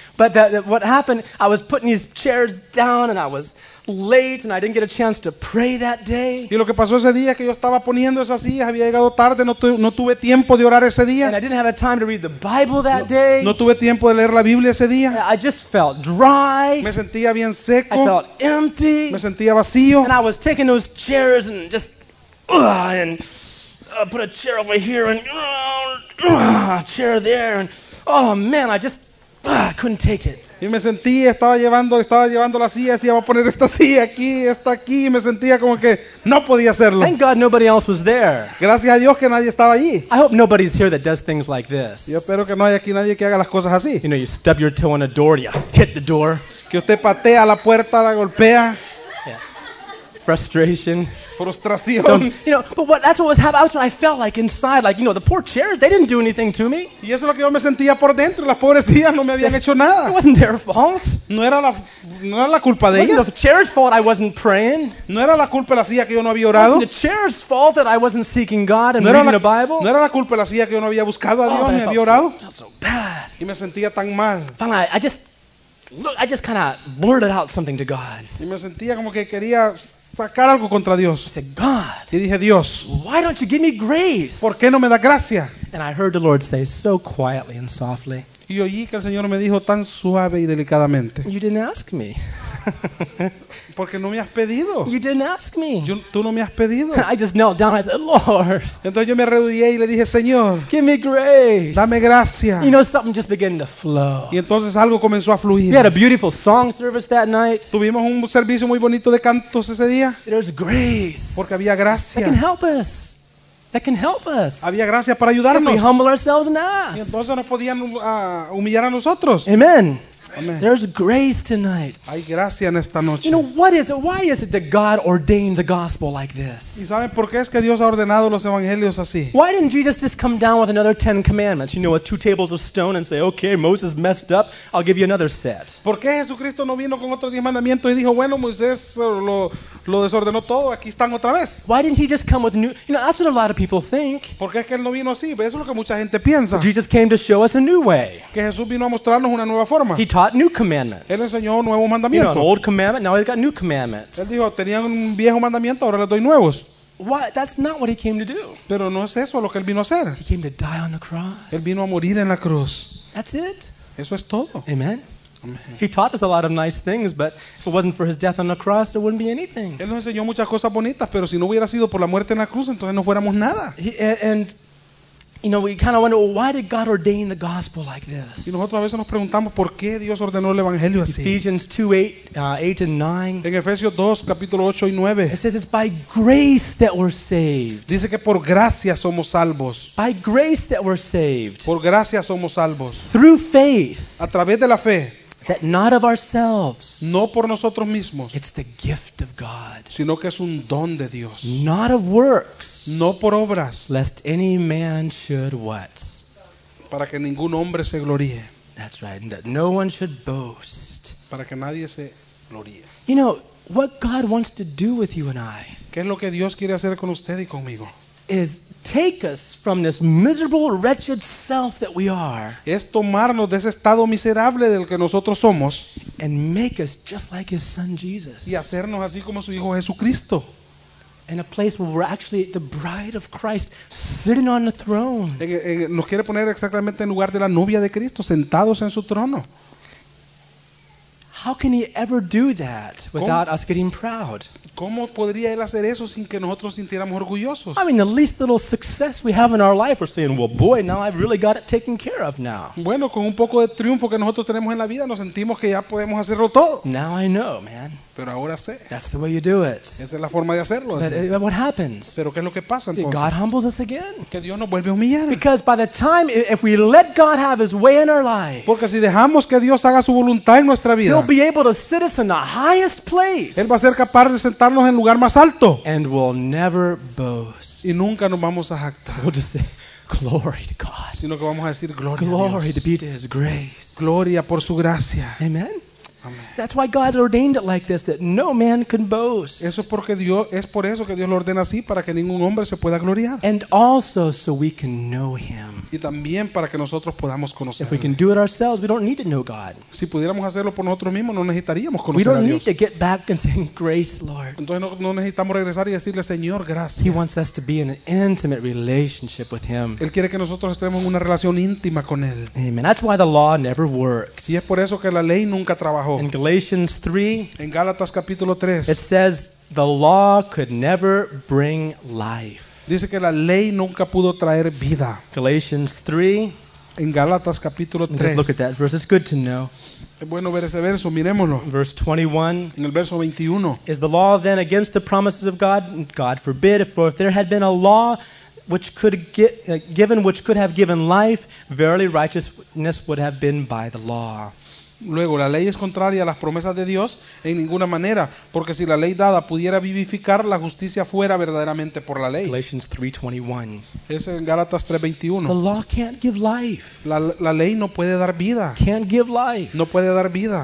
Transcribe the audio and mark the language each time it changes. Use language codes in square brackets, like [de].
[en] But what happened, I was putting these chairs down and I was late and I didn't get a chance to pray that day. [es] Y lo que pasó ese día que yo estaba poniendo esas sillas, había llegado tarde, no tuve tiempo de orar ese día. [en] And I didn't have a time to read the Bible that day. [es] No tuve tiempo de leer la Biblia ese día. [en] I just felt dry. [es] Me sentía bien seco. [en] I felt empty. [es] Me sentía vacío. [en] And I was taking those chairs and just put a chair over here and chair there and oh man, I just couldn't take it. [es] Y me sentí, estaba llevando la silla, decía, voy a poner esta silla aquí, esta aquí, y me sentía como que no podía hacerlo. [en] Thank God nobody else was there. [es] Gracias a Dios que nadie estaba allí. [en] I hope nobody's here that does things like this. [es] Yo espero que no haya aquí nadie que haga las cosas así. [en] You know, you stub your toe on a door, you hit the door. [es] Que usted patea la puerta, la golpea. Yeah. [en] Frustration. [es] Frustración. [en] That's what was happening. That's what I felt like inside. Like, you know, the poor chairs, they didn't do anything to me. [es] Y eso es lo que yo me sentía por dentro. Las pobres sillas no me habían hecho nada. [en] It wasn't their fault. [es] No era la culpa de ellas. [en] It wasn't the chair's fault I wasn't praying. [es] No era la culpa de la silla que yo no había orado. [en] It wasn't the chair's fault that I wasn't seeking God and reading the Bible. [es] No era la culpa de la silla que yo no había buscado a Dios ni había orado. [en] I felt so bad. [es] Y me sentía tan mal. [en] Finally, I just kind of blurted out something to God. [es] Y me sentía como que quería sacar algo contra Dios. [en] I said, God, [es] y dije, Dios, [en] why don't you give me grace? [es] ¿Por qué no me da gracia? [en] And I heard the Lord say so quietly and softly. [es] Y oí que el Señor me dijo tan suave y delicadamente. [en] You didn't ask me. [es] Porque no me has pedido. [en] You didn't ask me. [es] Tú no me has pedido. [en] I just knelt down and I said, Lord. [es] Entonces yo me arrodillé y le dije, Señor, [en] give me grace. [es] Dame gracia. [en] You know, something just began to flow. [es] Y entonces algo comenzó a fluir. [en] We had a beautiful song service that night. [es] Tuvimos un servicio muy bonito de cantos ese día. [en] There's grace. [es] Porque había gracia. [en] That can help us. That can help us. [es] Había gracia para ayudarnos. [en] If we humble ourselves and ask. [es] Y entonces nos podían humillar a nosotros. Amen. Amen. [en] There's grace tonight. [es] Hay gracia en esta noche. [en] You know, what is it? Why is it that God ordained the gospel like this? [es] ¿Y saben por qué es que Dios ha ordenado los evangelios así? [en] Why didn't Jesus just come down with another 10 commandments? You know, with 2 tables of stone and say, okay, Moses messed up, I'll give you another set. [es] ¿Por qué Jesucristo no vino con otros 10 mandamientos y dijo, bueno, Moisés lo desordenó todo, aquí están otra vez? [en] Why didn't he just come with new... You know, that's what a lot of people think. [es] ¿Por qué es que él no vino así? Eso es lo que mucha gente piensa. [en] But Jesus came to show us a new way. [es] Que Jesús vino a mostrarnos una nueva forma. [en] He taught taught new commandments. [es] Él enseñó nuevos mandamientos. [en] You know, an old commandment, now he's got new commandments. [es] Él dijo, tenían un viejo mandamiento, ahora les doy nuevos. [en] What? That's not what he came to do. [es] Pero no es eso lo que él vino a hacer. [en] He came to die on the cross. [es] Él vino a morir en la cruz. [en] That's it. [es] Eso es todo. Amen. [en] He taught us a lot of nice things, but if it wasn't for his death on the cross, there wouldn't be anything. [es] Él nos enseñó muchas cosas bonitas, pero si no hubiera sido por la muerte en la cruz, entonces no fuéramos nada. [en] And you know, we kind of wonder, well, why did God ordain the gospel like this? [es] Y nosotros a veces nos preguntamos por qué Dios ordenó el evangelio así. [en] Ephesians 2:8-9. [es] En Efesios 2 capítulo 8 y 9. [en] It says it's by grace that we're saved. [es] Dice que por gracia somos salvos. [en] By grace that we're saved. [es] Por gracia somos salvos. [en] Through faith. [es] A través de la fe. [en] That not of ourselves. [es] No por nosotros mismos. [en] It's the gift of God. [es] Sino que es un don de Dios. [en] Not of works. [es] No por obras. [en] Lest any man should what? [es] Para que ningún hombre se gloríe. [en] That's right. And that no one should boast. [es] Para que nadie se gloríe. [en] You know what God wants to do with you and I? [es] ¿Qué es lo que Dios quiere hacer con usted y conmigo? [en] Is take us from this miserable, wretched self that we are. [es] Es tomarnos de ese estado miserable del que nosotros somos. [en] And make us just like His Son Jesus. [es] Y hacernos así como su hijo Jesucristo. [en] In a place where we're actually the bride of Christ, sitting on the throne. [es] Nos quiere poner exactamente en lugar de la novia de Cristo, sentados en su trono. [en] How can He ever do that without us getting proud? [es] ¿Cómo podría él hacer eso sin que nosotros sintiéramos orgullosos? [en] I mean, the least little success we have in our life, we're saying, well, boy, now I've really got it taken care of now. [es] Bueno, con un poco de triunfo que nosotros tenemos en la vida, nos sentimos que ya podemos hacerlo todo. [en] Now I know, man. [es] Pero ahora sé. [en] That's the way you do it. [es] Esa es la forma de hacerlo. [en] But what happens? [es] Pero ¿qué es lo que pasa entonces? [en] God humbles us again. [es] Que Dios nos vuelve a humillar. [en] Because by the time, if we let God have His way in our life, [es] porque si dejamos que Dios haga su voluntad en nuestra vida, [en] He'll be able to sit us in the highest place. [es] Él va a ser capaz de sentarnos en lugar más alto. [en] And we'll never boast. [es] Y nunca nos vamos a jactar. [en] We'll just say, glory to God. [es] Sino que vamos a decir, gloria [en] glory [es] a Dios. [en] Glory to be to His grace. [es] Gloria por su gracia. Amen. [en] That's why God ordained it like this, that no man can boast. [es] Eso es porque Dios es por eso que Dios lo ordena así para que ningún hombre se pueda gloriar. [en] And also so we can know Him. [es] Y también para que nosotros podamos conocerle. [en] If we can do it ourselves, we don't need to know God. [es] Si pudiéramos hacerlo por nosotros mismos, no necesitaríamos conocer a [en] Dios. We don't need to get back and say, "Grace, Lord." [es] Entonces no necesitamos regresar y decirle, "Señor, gracias." [en] He wants us to be in an intimate relationship with Him. [es] Él quiere que nosotros estemos en una relación íntima con él. [en] Amen. That's why the law never works. [es] Y es por eso que la ley nunca trabajó. [en] In Galatians 3, [es] en Gálatas capítulo 3, [en] it says the law could never bring life. [es] Dice que la ley nunca pudo traer vida. [en] Galatians 3, [es] en Gálatas capítulo 3. [en] Just look at that verse. It's good to know. [es] Es bueno ver ese verso. Miremoslo. [en] Verse 21. [es] En el verso 21. [en] Is the law then against the promises of God? God forbid. For if there had been a law which could given which could have given life, verily righteousness would have been by the law. [es] Luego, la ley es contraria a las promesas de Dios en ninguna manera, porque si la ley dada pudiera vivificar, la justicia fuera verdaderamente por la ley. [en] Galatians 3:21. [es] Es en Gálatas 3:21. [en] The law can't give life. [es] La ley no puede dar vida. [en] Can't give life. [es] No puede dar vida.